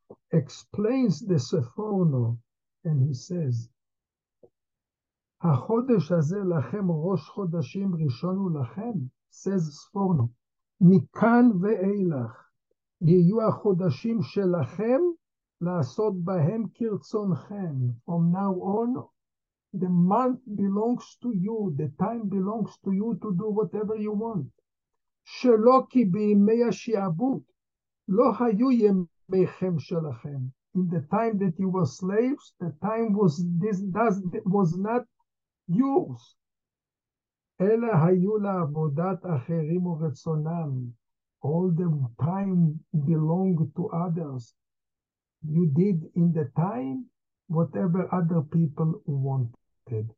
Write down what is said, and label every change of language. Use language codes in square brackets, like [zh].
[en] Explains the Sephorno, and he says, [he] החודש הזה לכם ראש חודשים ראשון הוא לכם, [en] says [he] ספורנו, מכאן ואילך יהיו החודשים שלכם לעשות בהם כרצונכם. [en] From now on, the month belongs to you, the time belongs to you to do whatever you want. [he] שלא כי בימי השיעבוד, לא היו ימיכם שלכם. [en] In the time that you were slaves, the time was, this does, was not yours. [he] Ela hayu la'avodat acherim uretzonam. [en] All the time belonged to others. You did in the time whatever other people wanted.